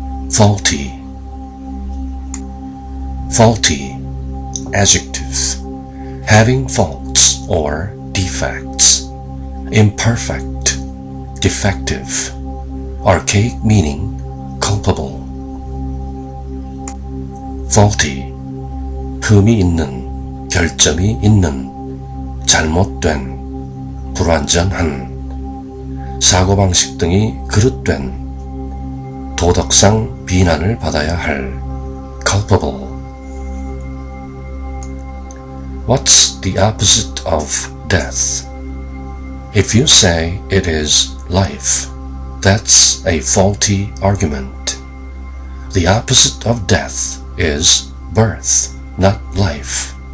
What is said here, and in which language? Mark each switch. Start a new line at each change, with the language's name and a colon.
English: Faulty Faulty Adjective Having faults or defects Imperfect, defective, archaic meaning, culpable.
Korean: Faulty, 흠이 있는, 결점이 있는, 잘못된, 불완전한, 사고방식 등이 그릇된, 도덕상 비난을 받아야 할, culpable.
English: What's the opposite of death? If you say it is life, that's a faulty argument. The opposite of death is birth, not life.